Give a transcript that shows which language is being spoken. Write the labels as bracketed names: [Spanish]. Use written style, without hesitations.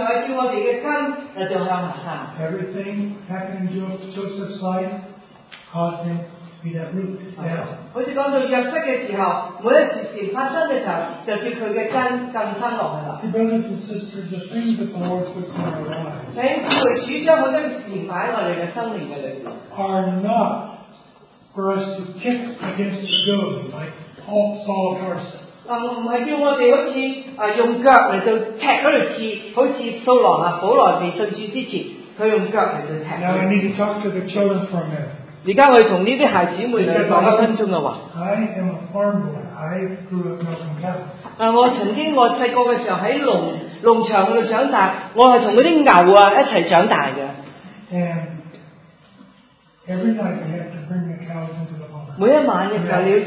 [Chinese] 但是我们的悲剧的时候，都至少要我们的根来做向下探。 [English] Everything happening in Joseph's life caused him to be that root down. [Chinese] 好像讲到约瑟的时候，每一件事发生的时候，就是他的根更深落去了。 [English] Brothers and sisters, the things that the Lord puts in our lives [Chinese] 请主将我们的事放在我们的生命里面 [English] are not for us to kick against the goad like Paul saw of Tarsus. [Chinese] 不是叫我们好像用脚来踢那条刺，好像扫罗、保罗未信主之前，他用脚来踢。 [English] Now I need to talk to the children for a minute. [Chinese] 现在我们跟这些孩子们来讲一分钟的话。 [English] I am a farm boy. I grew up in Northern California. [Chinese] 我曾经我小时候在农场里长大，我是跟那些牛啊一起长大的。 [English] And every night I have to bring the cows into the